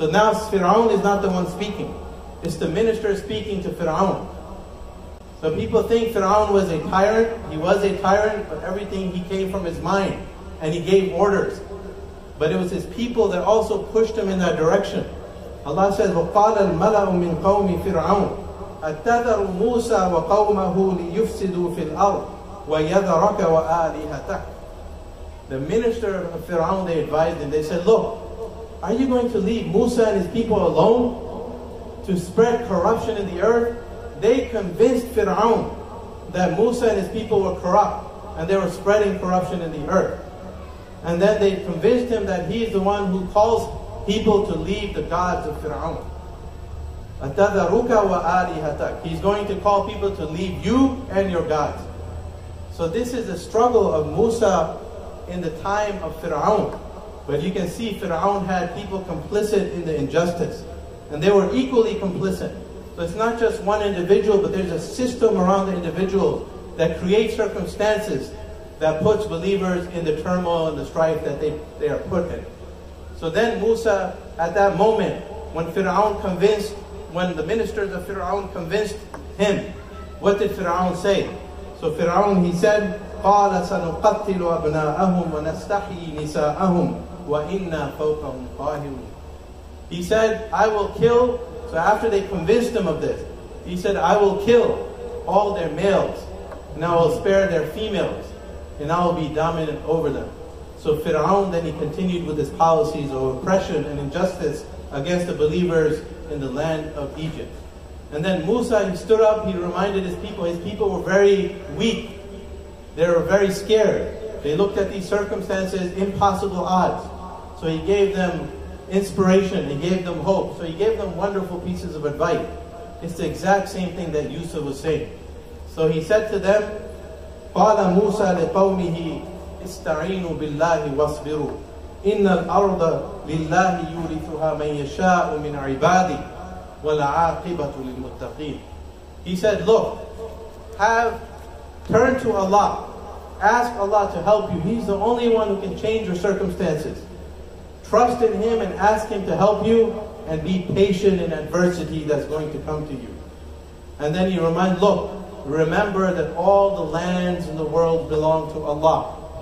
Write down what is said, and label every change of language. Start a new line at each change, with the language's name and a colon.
English: So now Fir'aun is not the one speaking. It's the minister speaking to Fir'aun. So people think Fir'aun was a tyrant. He was a tyrant, but everything he came from his mind. And he gave orders. But it was his people that also pushed him in that direction. Allah says,
Arabic: وَقَالَ الْمَلَأُ مِنْ قَوْمِ فِرْعَوْنَ أَتَّذَرُ مُوسَى وَقَوْمَهُ لِيُفْسِدُوا فِي الْأَرْضِ وَيَذَرَكَ وَآلِهَتَكَ.
English: The minister of Fir'aun, they advised him. They said, look, are you going to leave Musa and his people alone to spread corruption in the earth? They convinced Fir'aun that Musa and his people were corrupt and they were spreading corruption in the earth. And then they convinced him that he is the one who calls people to leave the gods of Fir'aun.
Arabic: أَتَذَرُكَ وَآلِهَتَكَ.
English: He's going to call people to leave you and your gods. So this is the struggle of Musa in the time of Fir'aun. But you can see Fir'aun had people complicit in the injustice. And they were equally complicit. So it's not just one individual, but there's a system around the individual that creates circumstances that puts believers in the turmoil and the strife that they are put in. So then Musa, at that moment, when Fir'aun convinced, when the ministers of Fir'aun convinced him, what did Fir'aun say? So Fir'aun, he said,
Arabic: قَالَ سَنُقَتِّلُ أَبْنَاءَهُمْ وَنَسْتَحْيِي نِسَاءَهُمْ وَإِنَّا فَوْقَهُمْ قَاهِرُونَ.
English: He said, I will kill, so after they convinced him of this, he said, I will kill all their males, and I will spare their females, and I will be dominant over them. So Fir'aun, then he continued with his policies of oppression and injustice against the believers in the land of Egypt. And then Musa, he stood up, he reminded his people were very weak. They were very scared. They looked at these circumstances, impossible odds. So he gave them inspiration. He gave them hope. So he gave them wonderful pieces of advice. It's the exact same thing that Yusuf was saying. So he said to them,
Arabic: قَالَ مُوسَى لِقَوْمِهِ اِسْتَعِينُوا بِاللَّهِ وَاصْبِرُوا إِنَّ الْأَرْضَ لِلَّهِ يُورِثُهَا مَنْ يَشَاءُ مِنْ عِبَادِي وَالْعَاقِبَةُ لِلْمُتَّقِينَ.
English: He said, look, turn to Allah. Ask Allah to help you. He's the only one who can change your circumstances. Trust in Him and ask Him to help you and be patient in adversity that's going to come to you. And then remember that all the lands in the world belong to Allah.